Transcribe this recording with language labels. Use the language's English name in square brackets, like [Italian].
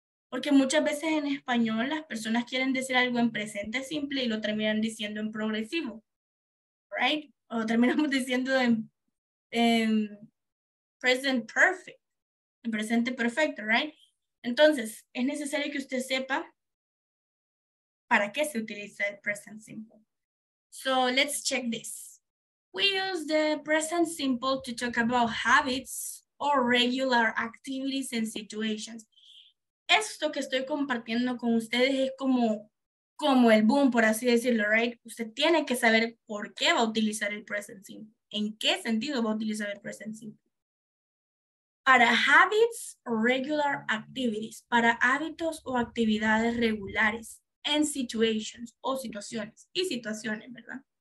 [Spanish] Porque muchas veces en español las personas quieren decir algo en presente simple y lo terminan diciendo en progresivo, right? O terminamos diciendo en present perfect, en presente perfecto, right? Entonces, es necesario que usted sepa para qué se utiliza el present simple. [English] So, let's check this. We use the present simple to talk about habits or regular activities and situations. [Spanish] Esto que estoy compartiendo con ustedes es como el boom, por así decirlo, right? Usted tiene que saber por qué va a utilizar el present simple. ¿En qué sentido va a utilizar el present simple? Para [English] habits or regular activities, [Spanish] para hábitos o actividades regulares, [English] and situations [Spanish] o situaciones, y situaciones, ¿verdad?